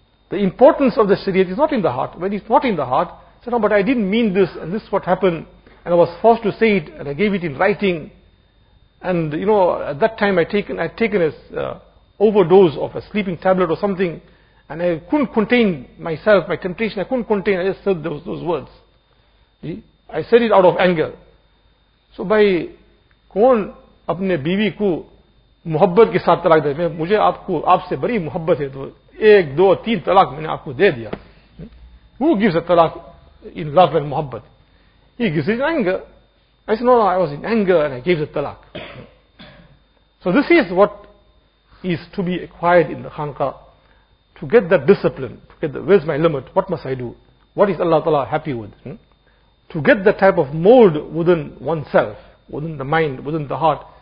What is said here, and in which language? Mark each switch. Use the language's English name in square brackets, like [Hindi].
[English] The importance of the shariat is not in the heart. When it's not in the heart, say, no, but I didn't mean this, and this is what happened, and I was forced to say it, and I gave it in writing, and you know, at that time I'd taken an overdose of a sleeping tablet or something, and I couldn't contain myself, my temptation, I couldn't contain, I just said those words. I said it out of anger. So by [Hindi] कौन अपने बीवी को मोहब्बत के साथ तलाक दे मैं मुझे आपको आपसे बड़ी मोहब्बत है तो 1, 2, 3 तलाक मैंने आपको दे दिया. [English] Who gives a talaq in love and muhabbat? He gives it in anger. I said, no, I was in anger and I gave the talaq. So this is what is to be acquired in the khanqa, to get that discipline, to get the, where's my limit, what must I do, what is Allah Ta'ala happy with, to get that type of mold within oneself, within the mind, within the heart.